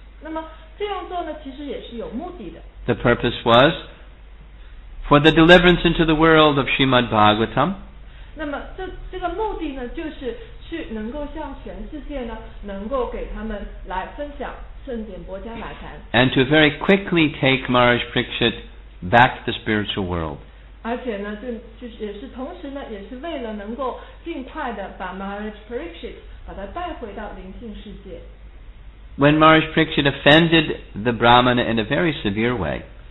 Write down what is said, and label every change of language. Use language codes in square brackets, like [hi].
[zh] 那么这样做呢，其实也是有目的的。 [en] The purpose was for the deliverance into the world of Srimad Bhagavatam. [zh] 那么这个目的呢，就是去能够向全世界呢，能够给他们来分享圣典薄伽瓦坛。 [en] And to very quickly take Maharaj Parikshit back to the spiritual world. [zh] 而且呢，就也是同时呢，也是为了能够尽快的把 Maharaj Parikshit 把他带回到灵性世界。 [en] When Maharaj Parikshit offended the Brahmana in a very severe way,